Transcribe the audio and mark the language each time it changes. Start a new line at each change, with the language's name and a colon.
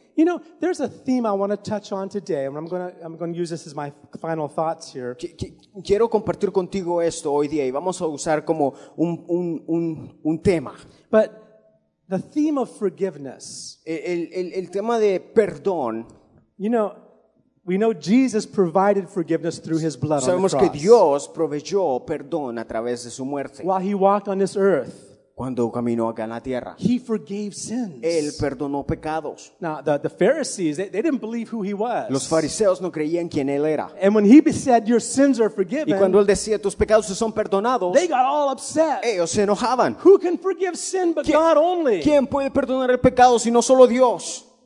English: You know, there's a theme I want to touch on today, and I'm going to use this as my final thoughts here.
Spanish: Quiero compartir contigo esto hoy día, y vamos a usar como un tema.
English: But the theme of forgiveness.
Spanish: El tema de perdón.
English: You know, we know Jesus provided forgiveness through His blood on the cross.
Spanish: Sabemos que Dios proveyó perdón a través de su muerte.
English: While He walked on this earth.
Spanish: Cuando caminó acá en la tierra.
English: He forgave sins.
Spanish: Él perdonó pecados.
English: Now, the Pharisees, they didn't believe who he was.
Spanish: Los fariseos no creían quién él era.
English: And when he said, your sins are forgiven.
Spanish: Y cuando él decía, tus pecados son perdonados.
English: They got all upset.
Spanish: Ellos se enojaban.
English: Who can forgive sin but God only?
Spanish: ¿Quién puede perdonar el pecado si no solo Dios?